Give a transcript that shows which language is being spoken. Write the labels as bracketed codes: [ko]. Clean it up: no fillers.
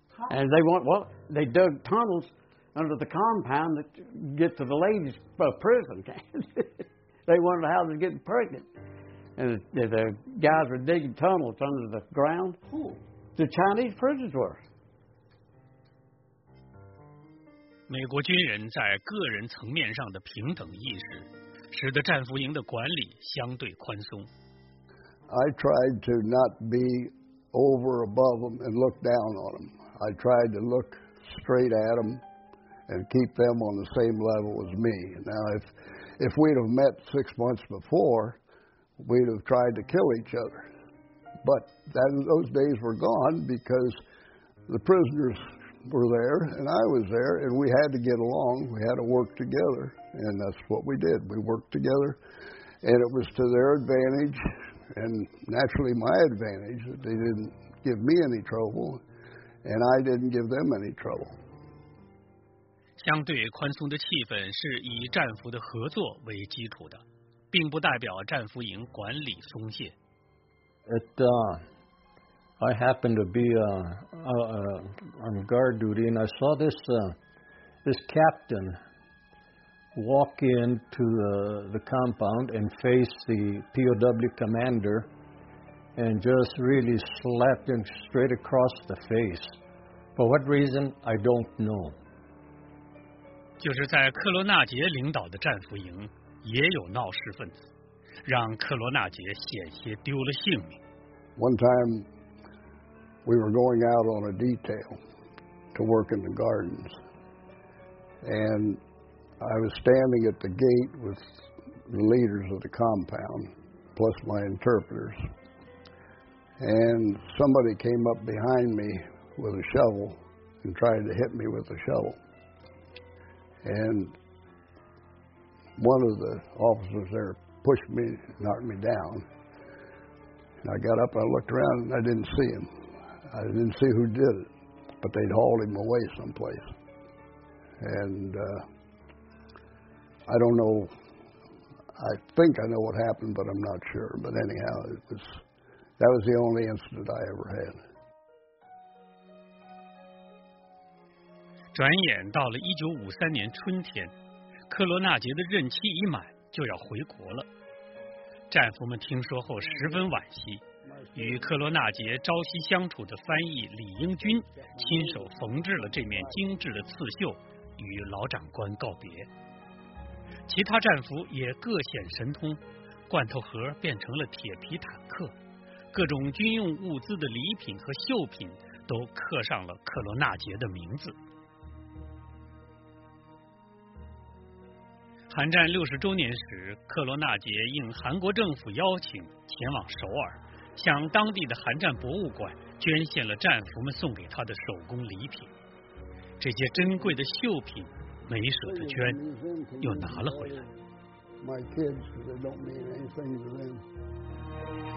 [en] And they dug tunnels under the compound to get to the ladies' prison. They wondered how they're getting pregnant. And the guys were digging tunnels under the ground. The Chinese prisoners were. [zh] 美国军人在个人层面上的平等意识，使得战俘营的管理相对宽松。 [en] I tried to not be over above them and look down on them. I tried to look straight at them and keep them on the same level as me. Now, if we'd have met 6 months before, we'd have tried to kill each other. But those days were gone because the prisoners were there, and I was there, and we had to get along. We had to work together, and that's what we did. We worked together, and it was to their advantage, and naturally my advantage, that they didn't give me any trouble, and I didn't give them any trouble. [zh] 相对宽松的气氛是以战俘的合作为基础的，并不代表战俘营管理松懈。 [en] I happened to be on guard duty, and I saw this this captain walk into the compound and face the POW commander and just really slapped him straight across the face. For what reason, I don't know. [zh] 就是在克罗纳杰领导的战俘营也有闹事分子，让克罗纳杰险些丢了性命。 [en] One time,we were going out on a detail to work in the gardens. And I was standing at the gate with the leaders of the compound, plus my interpreters. And somebody came up behind me with a shovel and tried to hit me with a shovel. And one of the officers there pushed me, knocked me down. And I got up and I looked around and I didn't see him. I didn't see who did it, but they'd hauled him away someplace. And I don't know, I think I know what happened, but I'm not sure. But anyhow, that was the only incident I ever had. [zh] 转眼到了1953年春天，克罗纳杰的任期已满，就要回国了。战俘们听说后十分惋惜。与克罗纳杰朝夕相处的翻译李英军亲手缝制了这面精致的刺绣，与老长官告别。其他战俘也各显神通，罐头盒变成了铁皮坦克，各种军用物资的礼品和绣品都刻上了克罗纳杰的名字。韩战六十周年时，克罗纳杰应韩国政府邀请前往首尔，向当地的韩战博物馆捐献了战俘们送给他的手工礼品，这些珍贵的绣品没舍得捐，又拿了回来。 [en] My kids, they don't mean anything to them.